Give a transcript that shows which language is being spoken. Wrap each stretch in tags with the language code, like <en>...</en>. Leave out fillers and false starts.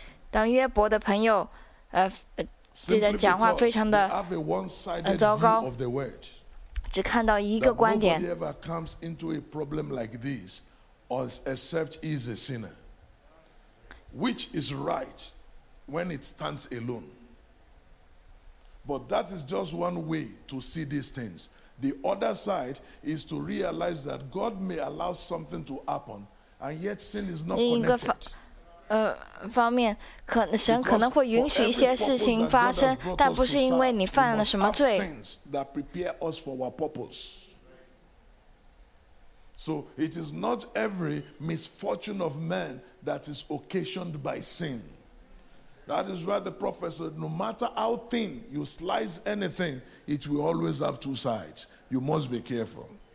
<zh>当约伯的朋友，这人讲话非常的糟糕，只看到一个观点。</zh> <en>Nobody ever comes into a problem like this, except he is a sinner, which is right when it stands alone. But that is just one way to see these things. The other side is to realize that God may allow something to happen, and yet sin is not connected.</en> <zh>方面，神可能会允许一些事情发生，但不是因为你犯了什么罪。</zh> <en>Things that prepare us for our purpose. So it is not every misfortune of man that is occasioned by sin. That is why the prophet said, "No matter how thin you slice anything, it will always have two sides." You must be careful.</en>